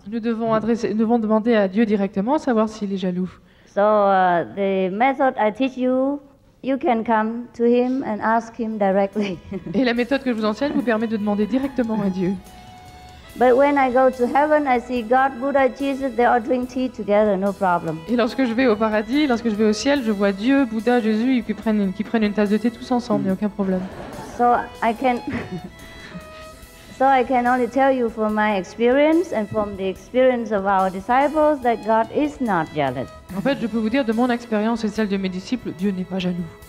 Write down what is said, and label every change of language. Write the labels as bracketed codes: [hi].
[fr] Nous devons demander à Dieu directement savoir s'il est jaloux. [en] So the method I teach you can come to him and ask him directly. [fr] Et la méthode que je vous enseigne vous permet de demander directement à Dieu. [en] But when I go to heaven, I see God, Buddha, Jesus, they all drink tea together, no problem. [fr] Et lorsque je vais au paradis, lorsque je vais au ciel, je vois Dieu, Bouddha, Jésus, qui prennent une tasse de thé tous ensemble, il n'y a aucun problème. [en] So I can only tell you from my experience and from the experience of our disciples that God is not jealous. [fr] En fait, je peux vous dire de mon expérience et celle de mes disciples, Dieu n'est pas jaloux.